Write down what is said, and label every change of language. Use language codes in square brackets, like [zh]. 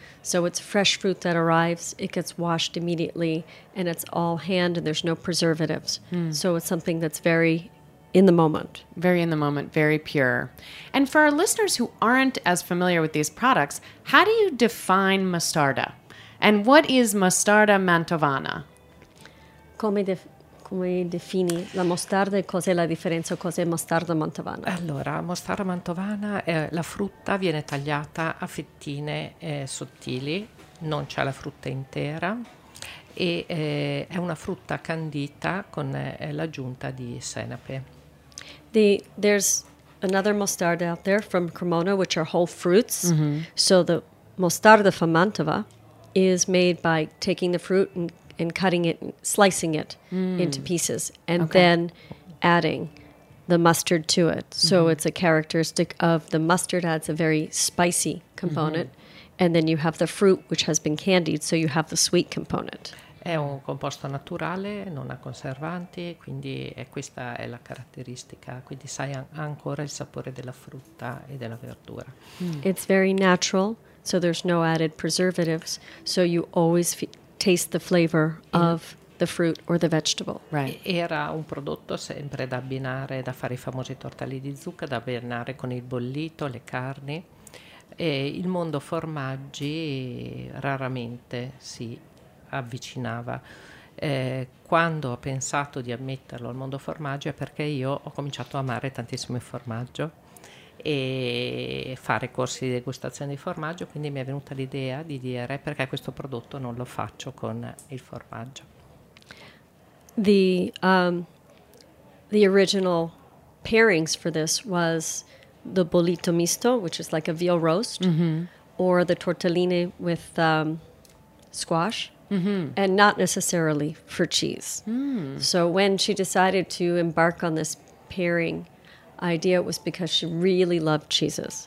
[en] So it's fresh fruit that arrives, it gets washed immediately, and it's all hand and there's no preservatives. Mm. So it's something that's very in the moment. Very in the moment, very pure. And for our listeners who aren't as familiar with these products, how do you define mostarda? And what is mostarda mantovana? [it] Come defini la mostarda e cos'è la differenza, cos'è mostarda mantovana? Allora, mostarda mantovana è la frutta, viene tagliata a fettine sottili, non c'è la frutta intera, e è una frutta candita con l'aggiunta di senape. [en] There's another mostarda out there from Cremona, which are whole fruits. Mm-hmm. So the mostarda from Mantova is made by taking the fruit and cutting it, slicing it into pieces, and then adding the mustard to it. So it's a characteristic of the mustard, adds a very spicy component. Mm-hmm. And then you have the fruit, which has been candied, so you have the sweet component. [it] È un composto naturale, non ha conservanti, quindi questa è la caratteristica. Quindi sai ancora il sapore della frutta e della verdura. Mm. [en] It's very natural, so there's no added preservatives, so you always taste the flavor of the fruit or the vegetable. Right. [it] Era un prodotto sempre da abbinare, da fare i famosi tortelli di zucca, da abbinare con il bollito, le carni. E il mondo formaggi raramente si avvicinava. Quando ho pensato di ammetterlo al mondo formaggio è perché io ho cominciato a amare tantissimo il formaggio e fare corsi di degustazione di formaggio, quindi mi è venuta l'idea di dire perché questo prodotto non lo faccio con il formaggio. [en] The original pairings for this was the bollito misto, which is like a veal roast, or the tortelline with squash. Mm-hmm. And not necessarily for cheese. Mm. So when she decided to embark on this pairing idea, it was because she really loved cheeses.